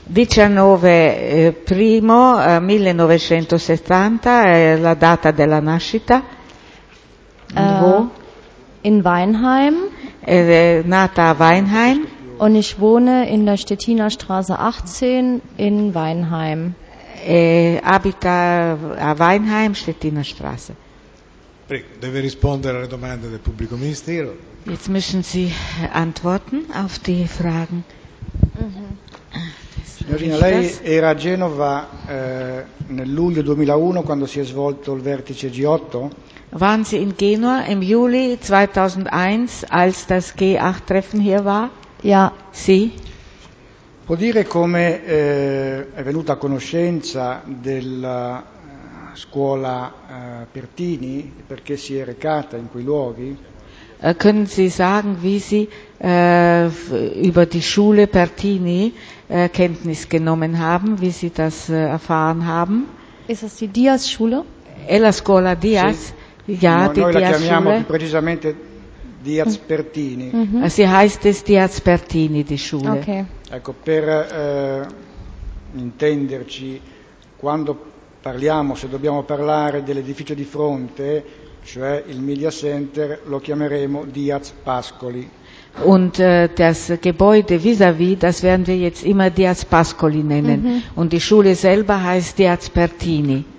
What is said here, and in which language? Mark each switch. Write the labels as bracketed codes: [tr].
[it] 19.01.1970 è la data della nascita. [de] Wo? In Weinheim. [it] Nata a Weinheim. [de] Und ich wohne in der Stettiner Straße 18 in Weinheim. [it] Abita a Weinheim, Stettiner Straße. Prego, deve rispondere alle domande del pubblico ministero. [de] Jetzt müssen Sie antworten auf die Fragen. [it] Signorina, lei era a Genova nel luglio 2001 quando si è svolto il vertice G8? [de] Waren Sie in Genua im Juli 2001 als das G8-Treffen hier war? Ja, [it] sì. Può dire come è venuta a conoscenza della scuola Pertini, perché si è recata in quei luoghi? [de] Können Sie sagen, wie Sie über die Schule Pertini Kenntnis genommen haben, wie Sie das erfahren haben? Ist es die Diaz-Schule? [it] È la scuola Diaz? Sì. [de] Ja, no, die Diaz-Schule. [it] Noi la chiamiamo più precisamente Diaz Pertini. Mm-hmm. [de] Sie heißt es Diaz Pertini, die Schule. Okay. [it] Ecco, per intenderci, quando parliamo, se dobbiamo parlare dell'edificio di fronte, cioè il Media Center, lo chiameremo Diaz Pascoli. [de] Und das Gebäude vis-à-vis, das werden wir jetzt immer Diaz Pascoli nennen. Mm-hmm. Und die Schule selber heißt Diaz Pertini.